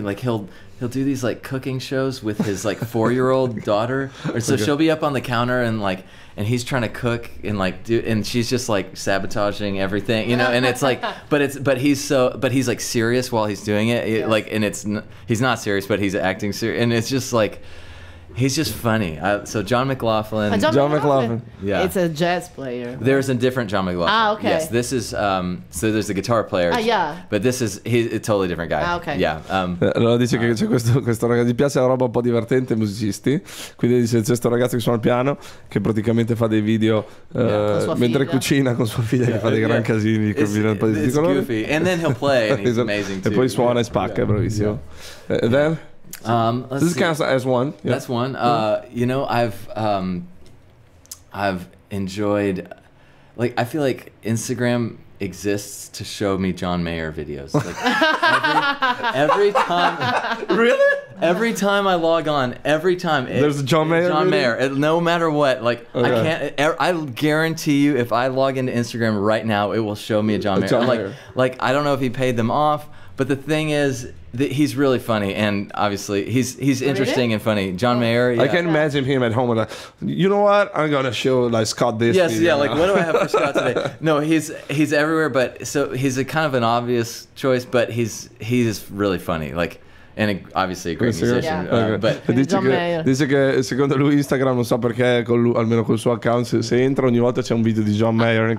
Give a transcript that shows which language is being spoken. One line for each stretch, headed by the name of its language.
English: Like he'll do these like cooking shows with his like 4-year-old daughter, or so she'll be up on the counter and like, and he's trying to cook and like do, and she's just like sabotaging everything, you know, and it's like, but he's like serious while he's doing it. Yes. Like, and he's not serious, but he's acting serious, and it's just like, he's just funny. So John McLaughlin. John McLaughlin. Yeah. It's a jazz player. There's a different John McLaughlin. Ah, okay. Yes, this is, so there's a guitar player. Ah, yeah. But this is, he's a totally different guy. Ah, okay. Yeah.
Italian: Allora dice che c'è questo ragazzo, gli piace la roba un po' divertente, musicisti. Quindi dice, c'è questo ragazzo che suona il piano, che praticamente fa dei video mentre cucina con sua figlia, che fa dei gran casini.
English: It's goofy. And then he'll play, and he's amazing too.
Italian: E poi suona e spacca, è bravissimo.
English: And then... Let's this counts as one. Yeah. That's one. You know, I've enjoyed Like, I feel like Instagram exists to show me John Mayer videos. Like, every time. Really? Every time I log on, every time. There's a John Mayer John Mayer. No matter what. Like, okay. I guarantee you, if I log into Instagram right now, it will show me a John Mayer. Like, I don't know if he paid them off, but the thing is, he's really funny, and obviously he's interesting and funny. John Mayer. Yeah. I can imagine him at home and like, you know what? I'm gonna show like Scott this. Yes, yeah. Like, what do I have for Scott today? No, he's everywhere, but so he's a kind of an obvious choice, but he's really funny. Like, and obviously a great musician. Yeah. Okay. But
Italian: dice che, secondo lui Instagram, non so perché con lui, almeno col suo account, se entra ogni volta c'è un video di John Mayer.